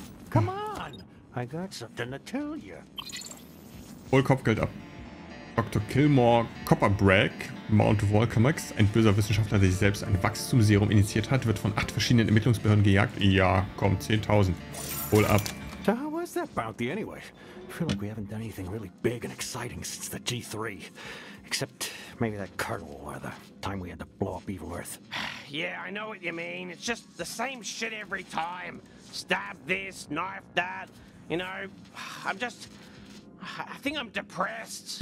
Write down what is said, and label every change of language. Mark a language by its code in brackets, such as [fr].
[en] Come on, I got something to tell you. [de] Hol Kopfgeld ab. Dr. Kilmore Copperbrack, Mount Volcamax, ein böser Wissenschaftler, der sich selbst ein Wachstumsserum initiiert hat, wird von 8 verschiedenen Ermittlungsbehörden gejagt. Ja, komm, 10.000. Hol ab. [en] So, how was that bounty anyway? I feel like we haven't done anything really big and exciting since the G3. Except maybe that carnival war, the time we had to blow up Evil Earth. Yeah, I know what you mean. It's just the same shit every time. Stab this, knife that. You know, I think I'm depressed.